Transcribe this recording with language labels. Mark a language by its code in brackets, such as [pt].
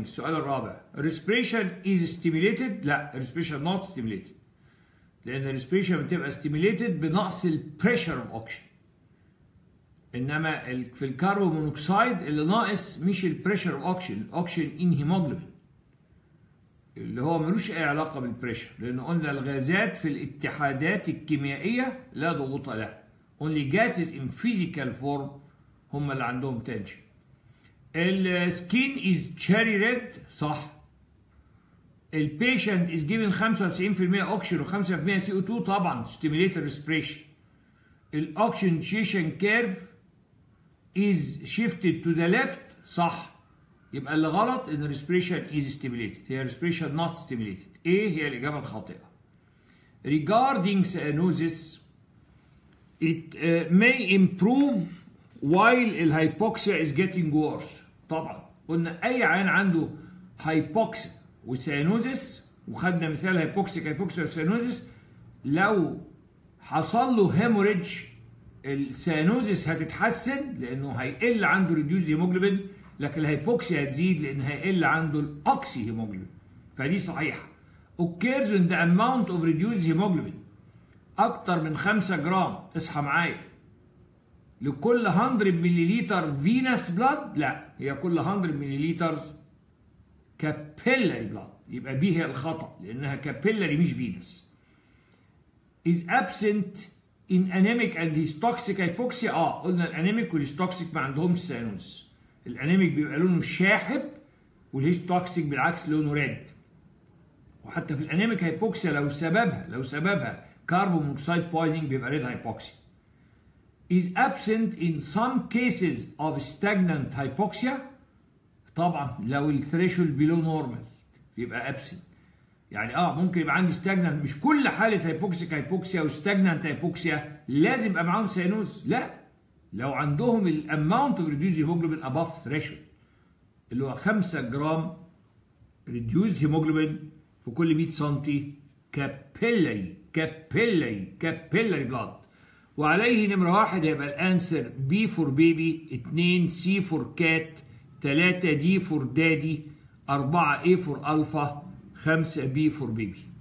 [ar] السؤال الرابع، [en] respiration is stimulated؟ [ar] لا، [en] respiration not stimulated، [ar] لان respiration بتبقى stimulated بنقص البريشر اوف اوكسجين، انما في الكربون مونوكسيد اللي ناقص مش البريشر اوكسجين، اوكسجين ان هيموجلوبين اللي هو ملوش اي علاقه بالبريشر، لان قلنا الغازات في الاتحادات الكيميائيه لا ضغوط لها، [en] only gases in physical form [ar] هم اللي عندهم تنشن. [en] السكين از تشيري ريد صح. البيشنت از جيفن 95% اوكسجين و5% سي او 2 طبعا ستيميليت ريسبيريشن. الاوكسجين ديشن كيرف is shifted to the left صح. [ar] يبقى اللي غلط ان [en] respiration is stimulated، [ar] هي [en] respiration not stimulated، [ar] ايه هي الاجابة الخاطئة. [en] regarding cyanosis it may improve while the hypoxia is getting worse. [ar] طبعا قلنا اي عين عنده hypoxia وcyanosis، وخدنا مثال hypoxic hypoxia وcyanosis، لو حصل له hemorrhage السيانوزيس هتتحسن لانه هيقل عنده ريديوس هيموجلوبين، لكن الهايبوكسيا هتزيد لان هيقل عنده الاوكسي هيموجلوبين. فدي صحيحه. [en] occurs in the amount of reduced haemoglobin [ar] اكتر من 5 جرام، اصحى معايا، لكل 100 مليليتر فينس بلاد، لا هي كل 100 مليليتر كابيلاري بلاد، يبقى بيها الخطا لانها كابيلاري مش فينس. [en] is absent in anemic and histoxic hypoxia. [ar] قلنا الانيميك والهيستوكسيك ما عندهمش سينوس. الانيميك بيبقى لونه شاحب والهيستوكسيك بالعكس لونه ريد. وحتى في الانيميك هايبوكسيا لو سببها كاربون مونوكسيد بويزنج بيبقى ريد هايبوكسيا. [en] is absent in some cases of stagnant hypoxia. [ar] طبعا لو الثريشولد بيلو نورمال بيبقى absent. يعني ممكن يبقى عندي ستاجنانت، مش كل حاله هايبوكسيك هايبوكسيا وستاجنانت هايبوكسيا لازم ابقى معاهم سينوز. لا، لو عندهم الاماونت اوف ريديوس هيموجلوبين اباف ثريشولد اللي هو 5 جرام ريديوس هيموجلوبين في كل 100 سنتي كابيلاري كابيلاري كابيلاري بلاد، وعليه نمره 1 هيبقى الانسر بي فور بيبي، 2 سي فور كات، 3 دي فور دادي، 4 اي فور الفا، 5 بي فور بيبي.